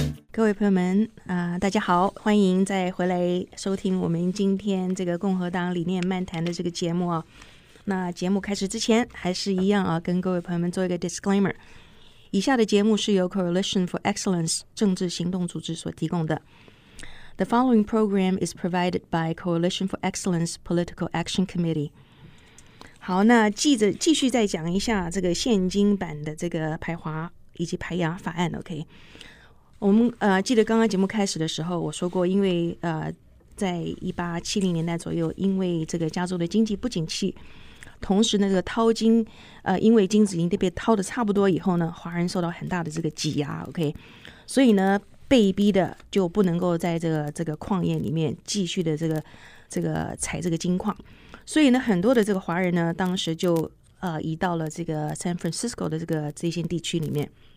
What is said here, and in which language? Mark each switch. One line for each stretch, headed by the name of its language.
Chinese: 各位朋友们大家好，欢迎再回来收听我们今天这个共和党理念漫谈的这个节目啊。那节目开始之前还是一样啊，跟各位朋友们做一个 disclaimer， 以下的节目是由 Coalition for Excellence 政治行动组织所提供的。
English: The following program is provided by Coalition for Excellence Political Action Committee。
Chinese: 好，那继续再讲一下这个现金版的这个排华以及排亚法案 OK。我们记得刚刚节目开始的时候我说过，因为在1870年代左右，因为这个加州的经济不景气，同时呢这个淘金因为金子已经被淘的差不多以后呢，华人受到很大的这个挤压 OK， 所以呢被逼的就不能够在这个矿业里面继续的这个采这个金矿，所以呢很多的这个华人呢当时就移到了这个 San Francisco 的这些地区里面，